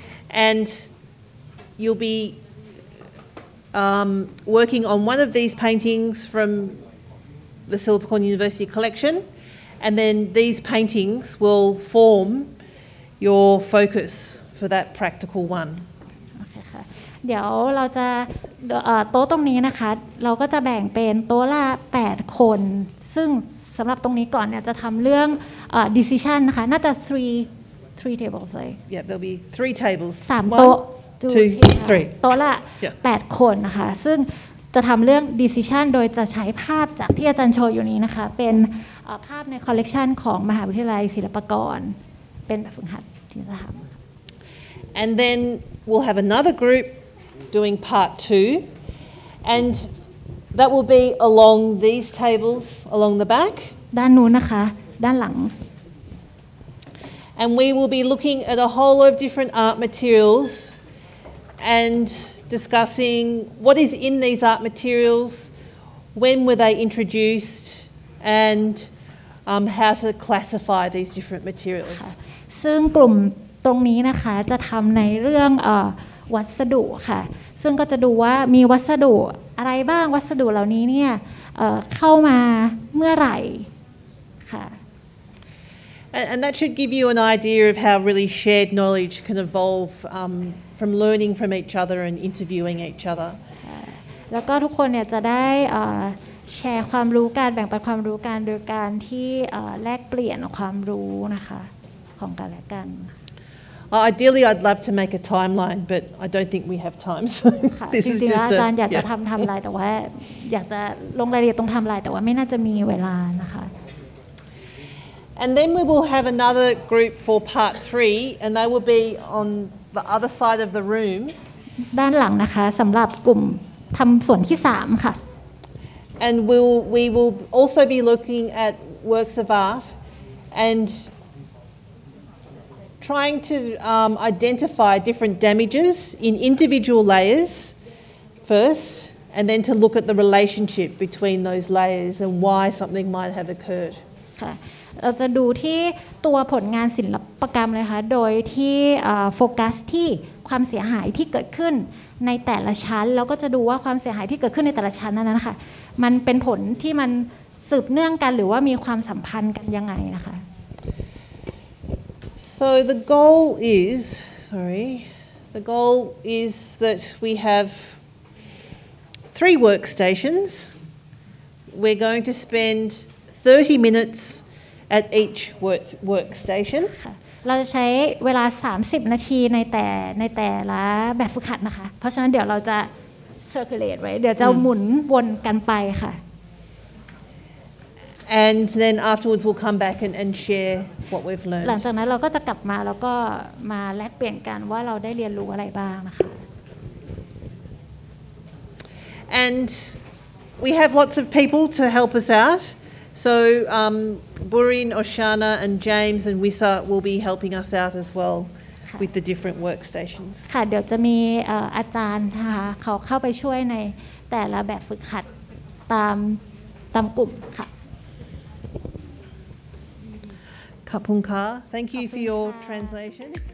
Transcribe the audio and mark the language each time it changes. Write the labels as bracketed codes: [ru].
[en] And you'll be working on one of these paintings from the Silpicorn University collection, and then these paintings will form your focus. For that practical one. [th] Okay. เดี๋ยวเราจะโต๊ะตรงนี้นะคะเราก็จะแบ่งเป็นโต๊ะละ8คนซึ่งสำหรับตรงนี้ก่อนเนี่ยจะทำเรื่อง decision นะคะน่าจะ [en] three tables [th] เลย Yeah, there'll be three tables. 3 โต๊ะ 2 3โต๊ะละ8คนนะคะซึ่งจะทำเรื่อง decision โดยจะใช้ภาพจากที่อาจารย์โชว์อยู่นี้นะคะเป็นภาพในคอลเลกชันของมหาวิทยาลัยศิลปากรเป็นแบบฝึกหัดที่จะทำ [en] And then we'll have another group doing part two. And that will be along these tables, along the back. [th] ด้านนู้นนะคะ ด้านหลัง [en] And we will be looking at a whole lot of different art materials and discussing what is in these art materials, when were they introduced, and how to classify these different materials. [th] ซึ่งกลุ่มตรงนี้นะคะจะทำในเรื่องวัสดุค่ะซึ่งก็จะดูว่ามีวัสดุอะไรบ้างวัสดุเหล่านี้เนี่ย เข้ามาเมื่อไหร่ค่ะ [en] And that should give you an idea of how really shared knowledge can evolve from learning from each other and interviewing each other [th] แล้วก็ทุกคนเนี่ยจะได้แชร์ความรู้การแบ่งปันความรู้การโดยการที่แลกเปลี่ยนความรู้นะคะของกันและกัน [en] Ideally, I'd love to make a timeline, but I don't think we have time. So this is just. [th] จริงๆอาจารย์อยากจะทำไลน์แต่ว่าอยากจะลงรายละเอียดตรงไทม์ไลน์แต่ว่าไม่น่าจะมีเวลานะคะ [en] And then we will have another group for part three, and they will be on the other side of the room. [th] ด้านหลังนะคะสำหรับกลุ่มทำส่วนที่สามค่ะ [en] And we will also be looking at works of art, and. Trying to identify different damages in individual layers first, and then to look at the relationship between those layers and why something might have occurred. [th] ค่ะ เราจะดูที่ตัวผลงานศิลปกรรมเลยค่ะ โดยที่โฟกัสที่ความเสียหายที่เกิดขึ้นในแต่ละชั้นแล้วก็จะดูว่าความเสียหายที่เกิดขึ้นในแต่ละชั้นนั้นนะคะ มันเป็นผลที่มันสืบเนื่องกันหรือว่ามีความสัมพันธ์กันยังไงนะคะ [en] So the goal is, sorry, the goal is that we have three workstations. We're going to spend 30 minutes at each workstation. [th] เราจะใช้เวลา30นาทีในแต่ละแบบฝึกหัดนะคะเพราะฉะนั้นเดี๋ยวเราจะ circulate ไว้เดี๋ยวจะหมุนวนกันไปค่ะ [en] And then afterwards we'll come back and share what we've learned. [th] หลังจากนั้นเราก็จะกลับมาแล้วก็มาแลกเปลี่ยนกันว่าเราได้เรียนรู้อะไรบ้างนะคะ [en] And we have lots of people to help us out. So Burin, Oshana, and James and Wissa will be helping us out as well with the different workstations. [th] ค่ะเดี๋ยวจะมีอาจารย์นะคะเขาเข้าไปช่วยในแต่ละแบบฝึกหัดตามกลุ่มค่ะ ขอบคุณค่ะ [en] Thank you for your translation.